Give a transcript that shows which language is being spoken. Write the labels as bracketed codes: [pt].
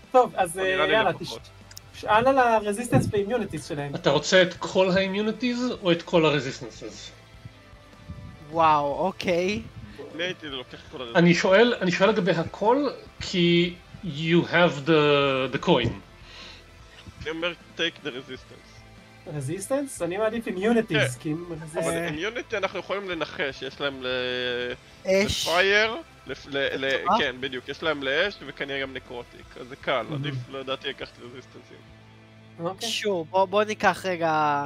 [he] טוב, אז יאללה, תשאל על הרזיסטנס והאימיוניטיז שלהם. אתה רוצה את כל האימיוניטיז או את כל הרזיסטנסס? וואו, אוקיי. אני הייתי לוקח כל הרזיסטנס. אני שואל לגבי הכל, כי [en] you have the coin. [he] אני אומר, [en] take the resistance. [he] רזיסטנס? אני מעדיף אימיוניטיז, כי אם... אבל אימיוניטי אנחנו יכולים לנחש, יש להם לפייר, כן, בדיוק, יש להם לאש וכנראה גם נקרוטיק, אז זה קל, עדיף לדעתי לקחת רזיסטנסים. אוקיי. שור, בוא ניקח רגע...